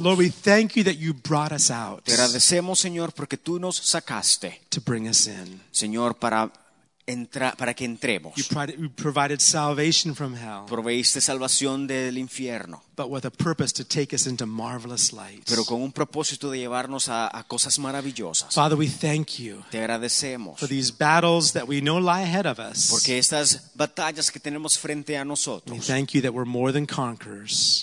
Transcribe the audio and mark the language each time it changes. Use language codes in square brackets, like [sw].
[en] Lord, we thank you that you brought us out. [es] Te agradecemos, Señor, porque tú nos sacaste. [en] To bring us in. [es] Señor, para que entremos. [en] You provided salvation from hell. [es] Proveíste salvación del infierno. [en] But with a purpose to take us into marvelous light. [es] Pero con un propósito de llevarnos a cosas maravillosas. [en] Father, we thank you. [es] Te agradecemos. [en] For these battles that we know lie ahead of us. [es] Porque estas batallas que tenemos frente a nosotros. [en] We thank you that we're more than conquerors.